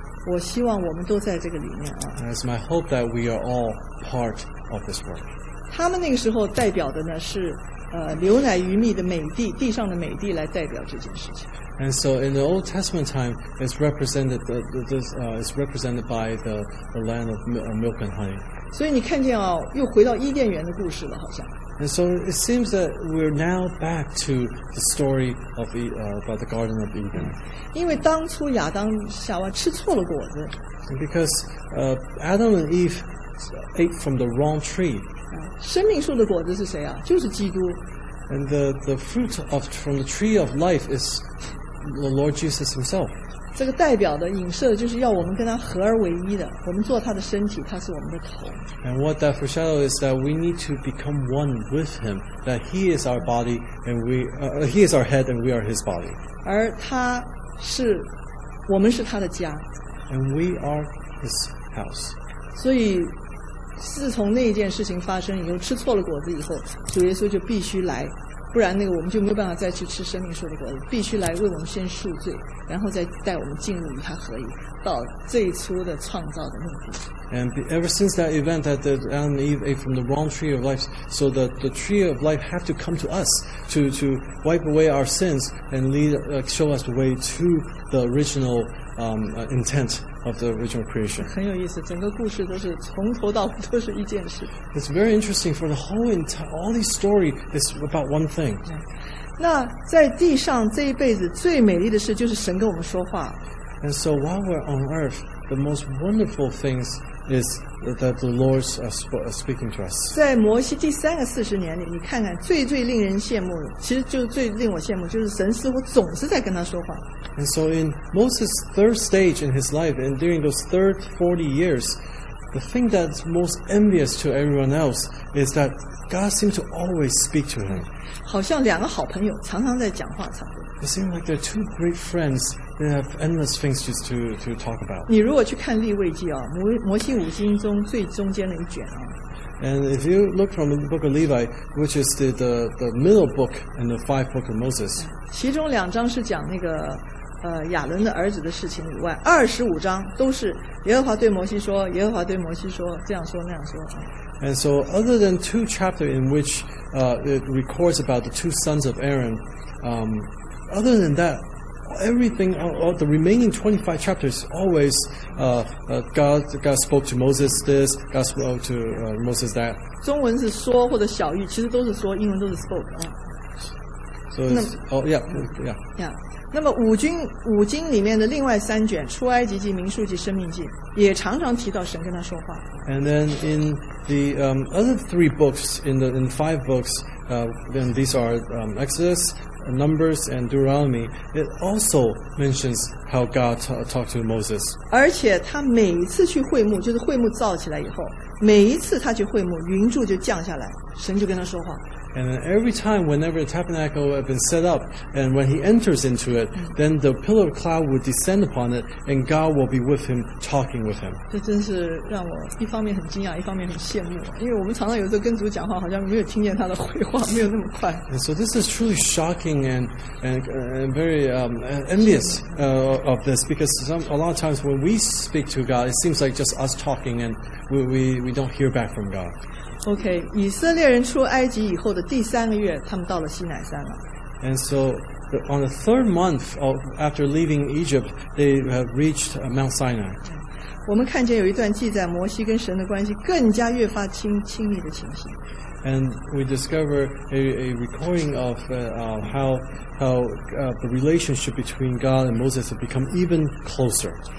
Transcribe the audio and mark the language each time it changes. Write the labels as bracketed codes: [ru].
[zh] 我希望我们都在这个里面啊。 [en] And it's my hope that we are all part of this work. [zh] 他们那个时候代表的呢是牛奶鱼蜜的美地地上的美地来代表这件事情。 [en] And so in the Old Testament time, it's represented, it's represented by the land of milk and honey. [zh] 所以你看见啊、哦、又回到伊甸园的故事了好像。 [en] And so it seems that we're now back to the story of about the Garden of Eden. [zh] 因为当初亚当夏娃吃错了果子。 [en] Because Adam and Eve ate from the wrong tree. [zh] 生命树的果子是谁啊？就是基督。 [en] And the fruit of from the tree of life is the Lord Jesus Himself. [zh] 这个代表的、影射的就是要我们跟他合而为一的，我们做他的身体，他是我们的头。 [en] And what that foreshadows is that we need to become one with Him, that He is our body and He is our head and we are His body. [zh] 而他是，我们是他的家。 [en] And we are His house. [zh] 所以自从那件事情发生以后，吃错了果子以后，主耶稣就必须来，不然那个我们就没有办法再去吃生命树的果子，必须来为我们先赎罪，然后再带我们进入与他合一，到最初的创造的目的。 [en] And ever since that event, that Adam and Eve ate from the wrong tree of life, so the tree of life had to come to us to wipe away our sins and lead, show us the way to the original intent of the original creation. [zh] 很有意思，整个故事都是从头到尾都是一件事。 [en] It's very interesting for the whole entire, all this story is about one thing. [zh] 那在地上这一辈子最美丽的事就是神跟我们说话。 [en] And so while we're on earth, the most wonderful things is that the Lord is speaking to us. [zh] 在摩西第三个四十年里，你看看最最令人羡慕的，其实就最令我羡慕，就是神似乎总是在跟他说话。 [en] And so in Moses' third stage in his life, and during those third 40 years, the thing that's most envious to everyone else is that God seemed to always speak to him. [zh] 好像两个好朋友常常在讲话差不多。 [en] It seemed like they're two great friends. They have endless things just to talk about. [zh] 你如果去看利未记啊，摩西五经中最中间的一卷啊。 [en] And if you look from the book of Levi, which is the middle book in the five book of Moses. [zh] 其中两章是讲那个亚伦的儿子的事情以外，二十五章都是耶和华对摩西说，耶和华对摩西说，这样说那样说啊。 [en] And so, other than two chapters in which it records about the two sons of Aaron, other than that, everything, all the remaining 25 chapters, always God spoke to Moses this, God spoke to Moses that. [zh] 中文是说或者小语，其实都是说，英文都是 spoke 啊。 [en] So, yeah. [zh] 那么五经里面的另外三卷，出埃及记、民数记、生命记，也常常提到神跟他说话。 [en] And then in the other three books, in five books, then these are Exodus, Numbers, and Deuteronomy, it also mentions how God talked to Moses. [zh] 而且他每一次去会幕，就是会幕造起来以后，每一次他去会幕，云柱就降下来，神就跟他说话。 [en] And every time, whenever the tabernacle had been set up, and when he enters into it, then the pillar of cloud would descend upon it, and God will be with him, talking with him. [zh] 这真是让我一方面很惊讶，一方面很羡慕。因为我们常常有时候跟主讲话，好像没有听见他的回话，没有那么快。 [en] And so this is truly shocking and very envious of this, because a lot of times when we speak to God, it seems like just us talking, and we don't hear back from God. [zh] OK, 以色列人出埃及以后的第三个月，他们到了西乃山了。 [en] And so, on the third month of, after leaving Egypt, they have reached Mount Sinai. [zh] 我们看见有一段记载摩西跟神的关系更加越发亲密的情形。 [en] And we discover a recording of how the relationship between God and Moses have become even closer.